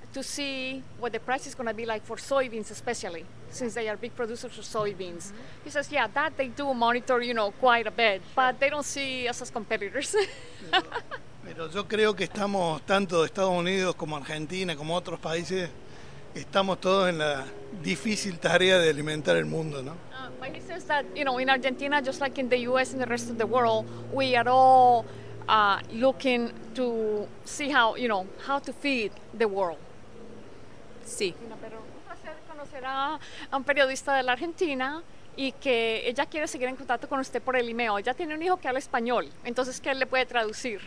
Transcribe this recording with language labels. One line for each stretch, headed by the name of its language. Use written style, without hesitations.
English: To see what the price is going to be like for soybeans, especially since they are big producers of soybeans. Mm-hmm. He says, yeah, that they do monitor, you know, quite a bit, sure. But they don't see us as competitors.
Spanish: Pero yo creo que estamos, tanto Estados Unidos como Argentina, como otros países, estamos todos en la difícil tarea de alimentar el mundo, ¿no?
English: But he says that, you know, in Argentina, just like in the U.S. and the rest of the world, we are all looking to see how, you know, how to feed the world.
Spanish: Sí. Pero un placer conocer a un periodista de la Argentina y que ella quiere seguir en contacto con usted por el email. Ella tiene un hijo que habla español, entonces que él le puede traducir.